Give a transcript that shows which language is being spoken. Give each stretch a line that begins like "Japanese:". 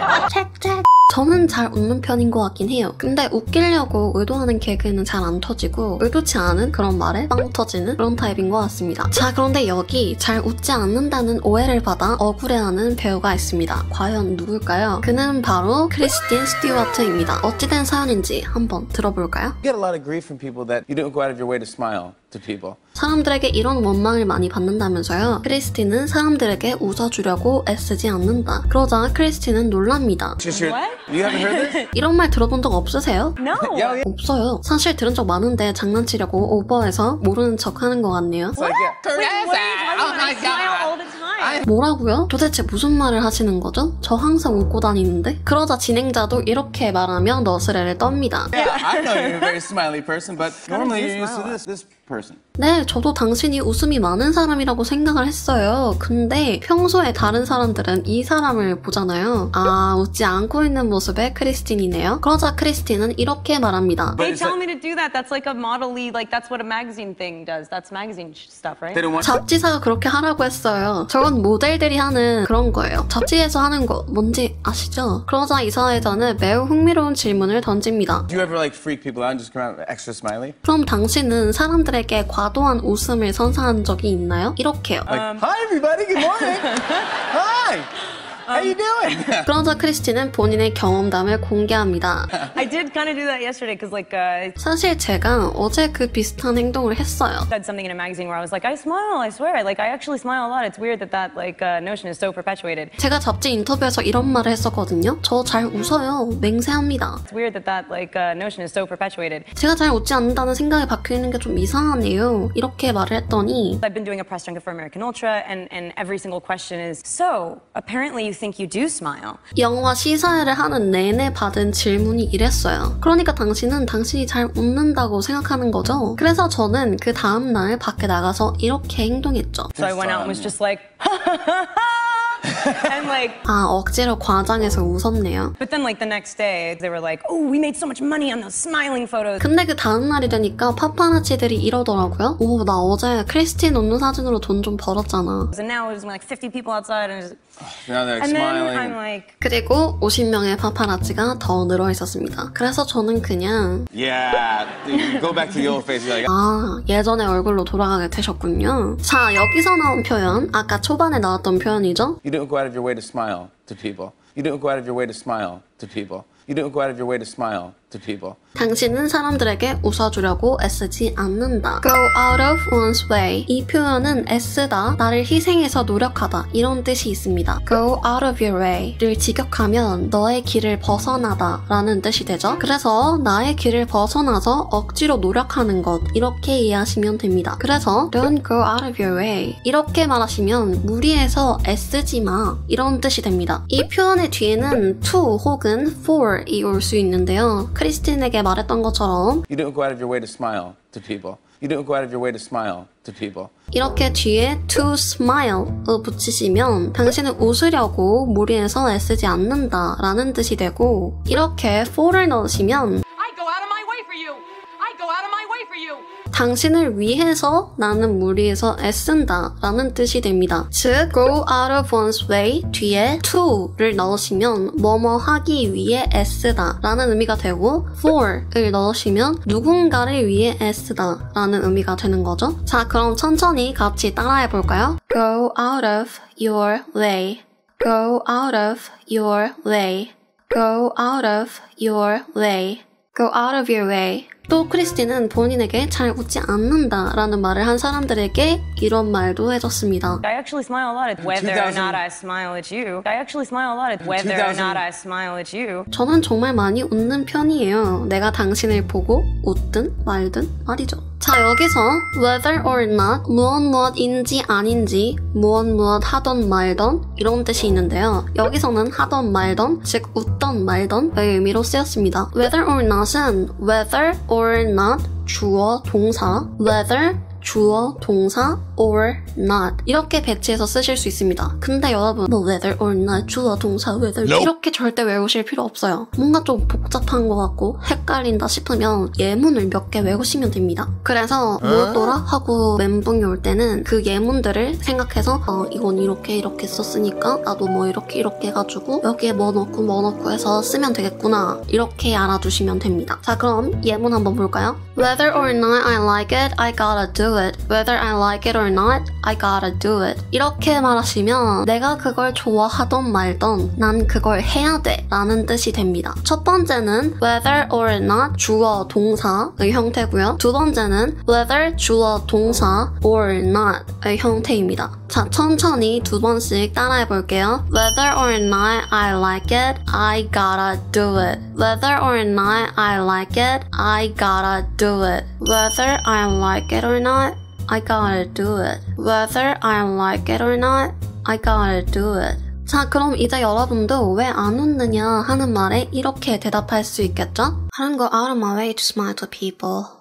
Korean: check check 저는 잘 웃는 편인 것 같긴 해요 근데 웃기려고 의도하는 개그는 잘 안 터지고 의도치 않은 그런 말에 빵 터지는 그런 타입인 것 같습니다 자 그런데 여기 잘 웃지 않는다는 오해를 받아 억울해하는 배우가 있습니다 과연 누굴까요? 그는 바로 크리스틴 스튜어트입니다 어찌된 사연인지 한번 들어볼까요?
English: You get a lot of grief from people that you don't go out of your way to smile to people.
Korean: 사람들에게 이런 원망을 많이 받는다면서요. 크리스틴은 사람들에게 웃어주려고 애쓰지 않는다. 그러자 크리스틴은 놀랍니다.
English: What? You haven't heard this?
Korean: 이런 말 들어본 적 없으세요?
English: No.
Korean: 없어요. 사실 들은 적 많은데 장난치려고 오버해서 모르는 척하는 것 같네요.
English: What? Wait, what are you talking about? Oh my god.
Korean: 뭐라고요? 도대체 무슨 말을 하시는 거죠? 저 항상 웃고 다니는데? 그러자 진행자도 이렇게 말하며 너스레를 떱니다.
English: Yeah,
Korean: 네, 저도 당신이 웃음이 많은 사람이라고 생각을 했어요. 근데 평소에 다른 사람들은 이 사람을 보잖아요. 아, 웃지 않고 있는 모습의 크리스틴이네요. 그러자 크리스틴은 이렇게 말합니다.
English: They tell me to do that. That's like a model lead. Like, that's what a magazine thing does. That's magazine stuff, right? They don't want
Korean: 잡지사가 그렇게 하라고 했어요. 저건 모델들이 하는 그런 거예요. 잡지에서 하는 거 뭔지 아시죠? 그러자 이사회자는 매우 흥미로운 질문을 던집니다.
English: Do you ever like freak people out and just come out extra smiley?
Korean: 그럼 당신은 사람들에게 과도한 웃음을 선사한 적이 있나요? 이렇게요.
English: Like, Hi everybody, good morning. Hi. How you doing? Yeah.
Korean: 그러자 크리스틴은 본인의 경험담을 공개합니다.
English: I did kind of do that yesterday because like
Korean: 사실 제가 어제 그 비슷한 행동을 했어요.
English: I said something in a magazine where I was like, I smile, I swear. Like I actually smile a lot. It's weird that that like notion is so perpetuated.
Korean: 제가 잡지 인터뷰에서 이런 말을 했었거든요. 저 잘 웃어요. 맹세합니다.
English: It's weird that that like notion is so perpetuated.
Korean: 제가 잘 웃지 않는다는 생각이 박혀 있는 게 좀 이상하네요. 이렇게 말을 했더니
English: I've been doing a press junket for American Ultra and every single question is so apparently You think you do smile.
Korean: 영화 시사회를 하는 내내 받은 질문이 이랬어요. 그러니까 당신은 당신이 잘 웃는다고 생각하는 거죠? 그래서 저는 그 다음 날 밖에 나가서 이렇게 행동했죠.
English: So I went out and was just like and like
Korean: 아, 억지로 과장해서 웃었네요.
English: But then like the next day they were like, "Oh, we made so much money on those smiling photos."
Korean: 근데 그 다음 날이 되니까 파파라치들이 이러더라고요. 오, 나 어제 크리스틴 웃는 사진으로 돈 좀 벌었잖아.
English: So now it was like 50 people outside and just Yeah, they're like smiling. Like...
Korean: 그리고 50명의 파파라치가 더 늘어 있었습니다. 그래서 저는 그냥
English: Yeah, go back to your old face. Like...
Korean: 아, 예전의 얼굴로 돌아가게 되셨군요. 자, 여기서 나온 표현, 아까 초반에 나왔던 표현이죠.
English: You don't go out of your way to smile to people. You don't go out of your way to smile to people. You don't go out of your way to smile to people.
Korean: 당신은 사람들에게 웃어주려고 애쓰지 않는다.
English: Go out of one's way.
Korean: 이 표현은 애쓰다, 나를 희생해서 노력하다 이런 뜻이 있습니다.
English: Go out of your way
Korean: 를 직역하면 너의 길을 벗어나다 라는 뜻이 되죠. 그래서 나의 길을 벗어나서 억지로 노력하는 것 이렇게 이해하시면 됩니다. 그래서
English: don't go out of your way
Korean: 이렇게 말하시면 무리해서 애쓰지 마 이런 뜻이 됩니다. 이 표현의 뒤에는 to 혹은 for 이 올 수 있는데요. 크리스틴에게 말했던 것처럼
English: You don't go out of your way to smile to people. You don't go out of your way to smile to people.
Korean: 이렇게 뒤에
English: to smile
Korean: 을 붙이시면 당신은 웃으려고 무리해서 애쓰지 않는다 라는 뜻이 되고 이렇게 for를 넣으시면
English: I go out of my way for you. I go out of my way for you.
Korean: 당신을 위해서 나는 무리해서 애쓴다 라는 뜻이 됩니다. 즉,
English: go out of one's way
Korean: 뒤에 to를 넣으시면 뭐뭐 하기 위해 애쓰다 라는 의미가 되고 for를 넣으시면 누군가를 위해 애쓰다 라는 의미가 되는 거죠. 자, 그럼 천천히 같이 따라해 볼까요?
English: Go out of your way. Go out of your way. Go out of your way. Go out of your way.
Korean: 또 크리스틴은 본인에게 잘 웃지 않는다 라는 말을 한 사람들에게 이런 말도 해줬습니다.
English: I actually smile a lot at whether or not I smile at you. I actually smile a lot at whether or not I smile at you.
Korean: 저는 정말 많이 웃는 편이에요. 내가 당신을 보고 웃든 말든 말이죠. 자, 여기서
English: whether or not,
Korean: 무언 무엇인지 아닌지, 무언 무엇 하던 말던 이런 뜻이 있는데요. 여기서는 하던 말던, 즉 웃던 말던의 의미로 쓰였습니다.
English: whether or not은 whether or not
Korean: 주어 동사,
English: whether
Korean: 주어, 동사, or, not 이렇게 배치해서 쓰실 수 있습니다. 근데 여러분 뭐
English: whether or not,
Korean: 주어, 동사, whether
English: nope.
Korean: 이렇게 절대 외우실 필요 없어요. 뭔가 좀 복잡한 것 같고 헷갈린다 싶으면 예문을 몇 개 외우시면 됩니다. 그래서 뭐더라? 하고 멘붕이 올 때는 그 예문들을 생각해서 이건 이렇게 이렇게 썼으니까 나도 뭐 이렇게 이렇게 해가지고 여기에 뭐 넣고 뭐 넣고 해서 쓰면 되겠구나 이렇게 알아두시면 됩니다. 자 그럼 예문 한번 볼까요?
English: Whether or not I like it, I gotta do it. Whether I like it or not, I gotta do it.
Korean: 이렇게 말하시면 내가 그걸 좋아하던 말던 난 그걸 해야 돼 라는 뜻이 됩니다. 첫 번째는
English: whether or not
Korean: 주어 동사의 형태고요. 두 번째는 whether 주어 동사
English: or not
Korean: 의 형태입니다. 자 천천히 두 번씩 따라해 볼게요.
English: Whether or not I like it, I gotta do it. Whether or not I like it, I gotta do it. Whether I like it or not, I gotta do it. Whether I like it or not, I gotta do it.
Korean: 자 그럼 이제 여러분도 왜 안 웃느냐 하는 말에 이렇게 대답할 수 있겠죠?
English: I don't go out of my way to smile to people.